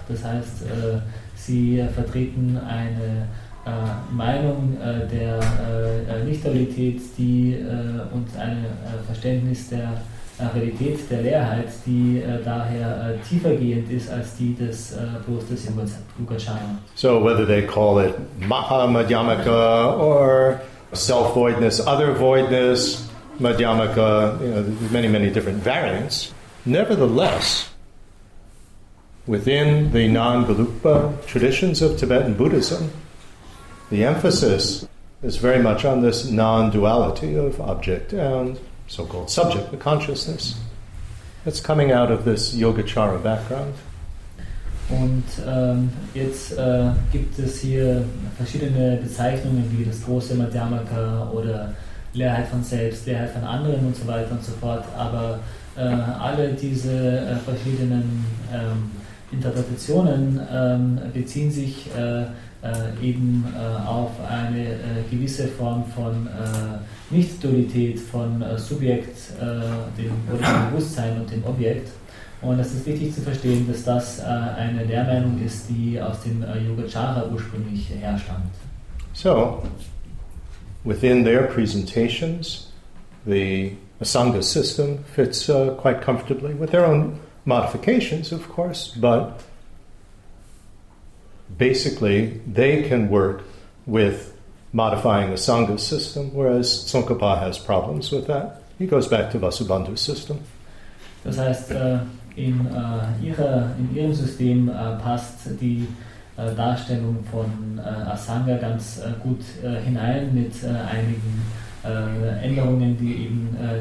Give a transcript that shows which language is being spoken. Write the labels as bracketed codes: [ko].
[de] Das heißt, Sie vertreten eine Meinung der Nichtrealität, die und ein Verständnis der Realität, der Leerheit, die daher tiefergehend ist als die des Klosters Yogacara. [en] So, whether they call it Mahamadhyamaka or self-voidness, other-voidness, Madhyamaka, you know, many, many different variants. Nevertheless, within the non-Gelugpa traditions of Tibetan Buddhism, the emphasis is very much on this non-duality of object and so-called subject, the consciousness. That's coming out of this Yogacara background. [de] Und jetzt gibt es hier verschiedene Bezeichnungen wie das große Madhyamaka oder Leerheit von selbst, Leerheit von anderen und so weiter und so fort. Aber alle diese verschiedenen Interpretationen beziehen sich eben auf eine gewisse Form von Nicht-Dualität von Subjekt, dem Bewusstsein und dem Objekt. Und es ist wichtig zu verstehen, dass das eine Lehrmeinung ist, die aus dem Yogacara ursprünglich herstammt. [en] So, within their presentations, the Asanga system fits quite comfortably with their own modifications, of course, but basically they can work with modifying the Asanga system, whereas Tsongkhapa has problems with that. He goes back to Vasubandhu's system. [de] Das heißt, in ihrem System passt die Darstellung von Asanga ganz gut hinein mit einigen Änderungen, die eben